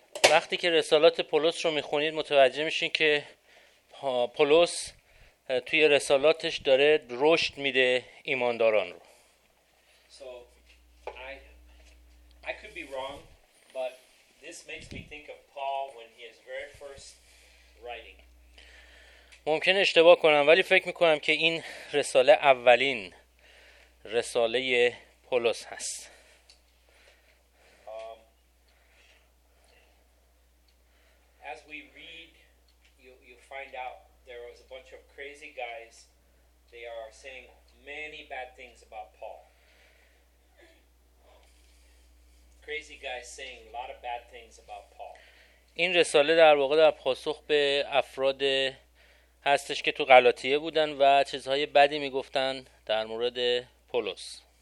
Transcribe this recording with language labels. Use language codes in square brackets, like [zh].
[fa] وقتی که رسالات پولس رو میخونید متوجه میشین که پولس توی رسالاتش داره رشد میده ایمانداران رو. [en] I could be wrong, but this makes me think of Paul when he is very first writing. [fa] ممکن اشتباه کنم ولی فکر میکنم که این رساله اولین رساله پولس هست. [en] As we read, you find out there was a bunch of crazy guys. They are saying many bad things about Paul. Crazy guys saying a lot of bad things about Paul. [fa] این رساله در واقع در پاسخ به افراد هستش که تو غلاطیه بودن و چیزهای بدی میگفتن در مورد پولس.